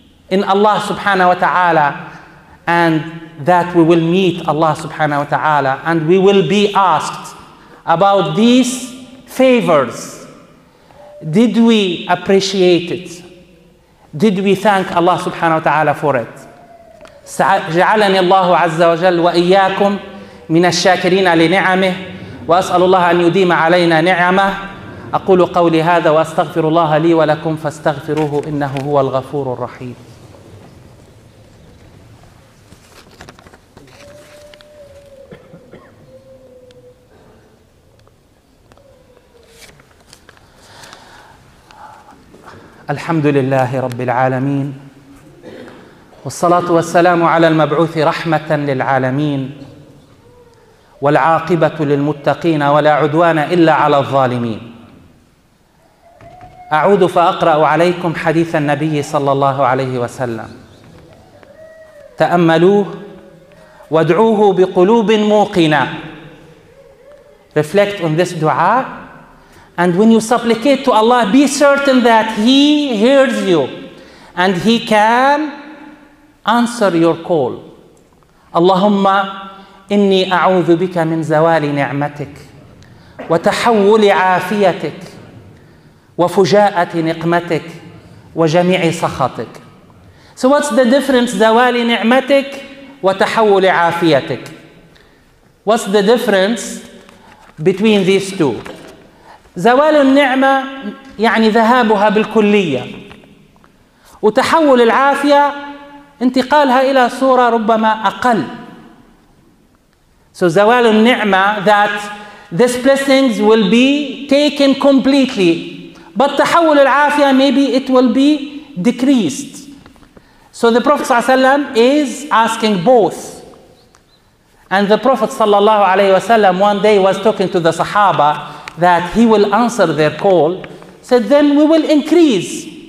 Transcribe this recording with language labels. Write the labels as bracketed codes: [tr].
[en] in Allah subhanahu wa ta'ala, and that we will meet Allah subhanahu wa ta'ala, and we will be asked about these favors. Did we appreciate it? Did we thank Allah subhanahu wa ta'ala for it? [ar] جعلني الله عز وجل وإياكم من الشاكرين لنعمه وأسأل الله أن يديم علينا نعمه أقول قولي هذا وأستغفر الله لي ولكم فاستغفروه إنه هو الغفور الرحيم. الحمد لله رب العالمين والصلاة والسلام على المبعوث رحمة للعالمين والعاقبة للمتقين ولا عدوان إلا على الظالمين. أعود فأقرأ عليكم حديث النبي صلى الله عليه وسلم، تأملوه وادعوه بقلوب موقنة. [en] Reflect on this dua, and when you supplicate to Allah, be certain that He hears you and He can answer your call. [ar] اللهم إني أعوذ بك من زوال نعمتك وتحول عافيتك وفجاءة نقمتك وجميع سخطك. [en] So what's the difference [ar] زوال نعمتك وتحول عافيتك? [en] What's the difference between these two? [ar] زوال النعمة يعني ذهابها بالكلية، وتحول العافية انتقالها إلى صورة ربما أقل. [en] So [ar] زوال النعمة, [en] that these blessings will be taken completely, but [ar] تحول العافية [en] maybe it will be decreased. So the Prophet [ar] صلى الله عليه وسلم [en] is asking both. And the Prophet صلى الله عليه وسلم one day was talking to the Sahaba that he will answer their call, said then we will increase.